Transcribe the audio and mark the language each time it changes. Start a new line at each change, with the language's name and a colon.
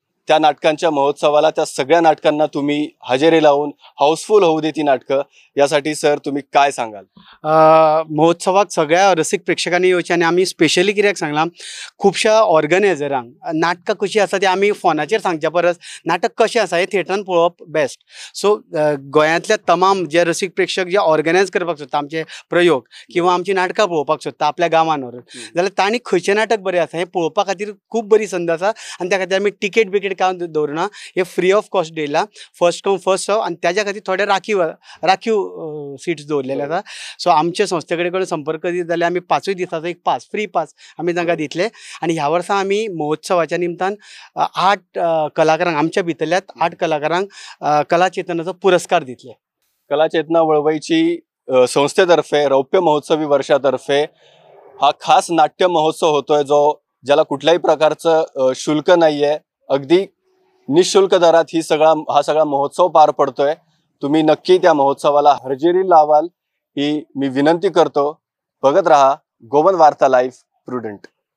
Marathi: त्या नाटकांच्या महोत्सवाला त्या सगळ्या नाटकांना तुम्ही हजेरी लावून हाऊसफुल होऊ देती नाटकं, यासाठी सर तुम्ही काय सांगाल?
Goan Konkani: महोत्सवात सगळ्या रसिक प्रेक्षकांनी येऊचे. आणि आम्ही स्पेशली कित्याक सांगला, खुबशा ऑर्गनायझरांक नाटकां कशी आसा ती आम्ही फोनाचेर सांगच्या परस नाटक कशें आसा हे थिएटरान पळोवप बेस्ट. सो गोंयातल्या तमाम जे रसिक प्रेक्षक जे ऑर्गनायज करपाक सोदता आमचे प्रयोग किंवा आमची नाटकां पळोवपाक सोदता आपल्या गांवान व्हरून, जाल्यार तांणी खंयचें नाटक बरें आसा हें पळोवपा खातीर खूब बरी संद आसा. आनी त्या खातीर आमी तिकेट बिकेट काम दवरना, हे फ्री ऑफ कॉस्ट दिला, फर्स्ट कम फर्स्ट सर्व. आणि त्याच्या खातीर थोडे राखीव सीट्स दवरलेले आसा. सो आमच्या संस्थे कडेन संपर्क दीत जाल्यार आमी 5 दिसांचो एक पास, फ्री पास आमी तांकां दितले. आनी ह्या वर्सा आमी महोत्सवाच्या निमतान 8 कलाकारांक आमच्या भितरल्या 8 कलाकारांक कला चेतनाचो पुरस्कार दितले.
Marathi: कला चेतना वळवयची संस्थेतर्फे रौप्य महोत्सवी वर्षातर्फे हा खास नाट्य महोत्सव होतोय, जो ज्याला कुठल्याही प्रकारचं शुल्क नाही आहे, अगदी निःशुल्क दरात हा सगळा महोत्सव पार पडतोय. तुम्ही नक्की त्या महोत्सवाला हजेरी लावाल ही मी विनंती करतो. बघत रहा गोवन वार्ता लाईव्ह प्रुडंट.